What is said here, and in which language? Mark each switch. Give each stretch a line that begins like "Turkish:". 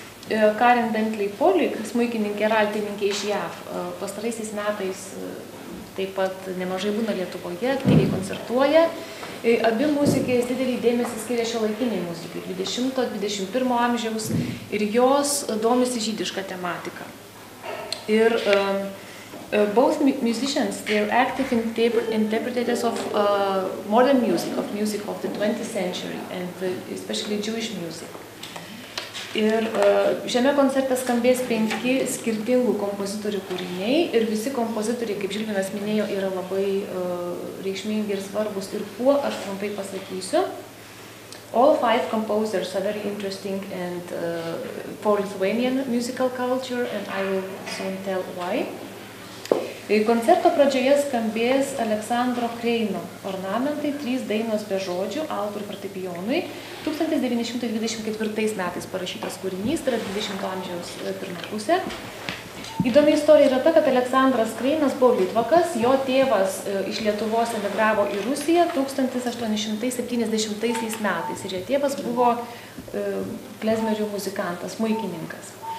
Lithuanian: Karen Bentley-Pollick, smuikininkė ir altininkė iš JAV, pastaraisiais metais taip pat nemažai būna Lietuvoje, aktyviai koncertuoja. Abi muzikės didelį dėmesį skiria šiuolaikiniai muzikai, 20-21 amžiaus, ir jos domisi žydišką tematiką.
English: Ir both musicians, they are active interpreters of modern music, of music of the 20th century, and especially Jewish music.
Lithuanian: Ir šiame koncerte skambės 5 skirtingų kompozitorių kūriniai, ir visi kompozitoriai, kaip Žilvinas minėjo, yra labai reikšmingi ir svarbus. Ir kuo aš trumpai pasakysiu,
English: all 5 composers are very interesting and for Lithuanian musical culture, and I will soon tell why.
Lithuanian: Koncerto pradžioje skambės Aleksandro Kreino ornamentai, 3 dainos be žodžių, altui ir fortepijonui. 1924 metais parašytas kūrinys, tai yra 20 amžiaus pirma pusė. Įdomi istorija yra ta, kad Aleksandras Kreinas buvo litvakas, jo tėvas iš Lietuvos emigravo į Rusiją 1870 metais, ir jo tėvas buvo klezmerių muzikantas, smuikininkas.